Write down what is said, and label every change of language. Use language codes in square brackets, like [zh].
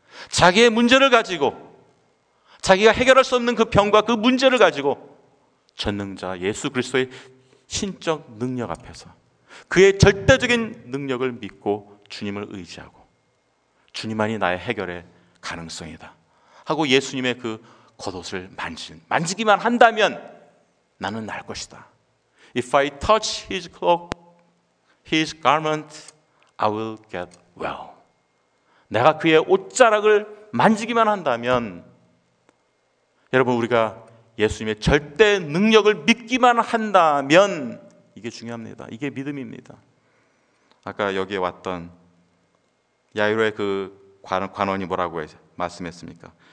[ko] 자기의 문제를 가지고 자기가 해결할 수 없는 그 병과 그 문제를 가지고 전능자 예수 그리스도의 신적 능력 앞에서 그의 절대적인 능력을 믿고 주님을 의지하고 주님만이 나의 해결의 가능성이다 하고 예수님의 그 겉옷을 만지기만 한다면 나는 날 것이다. [en] If I touch his cloak, his garment, I will get well. [ko] 내가 그의 옷자락을 만지기만 한다면 여러분 우리가 예수님의 절대 능력을 믿기만 한다면 이게 중요합니다. 이게 믿음입니다. 아까 여기에 왔던 야이로의 그 관원이 뭐라고 말씀했습니까?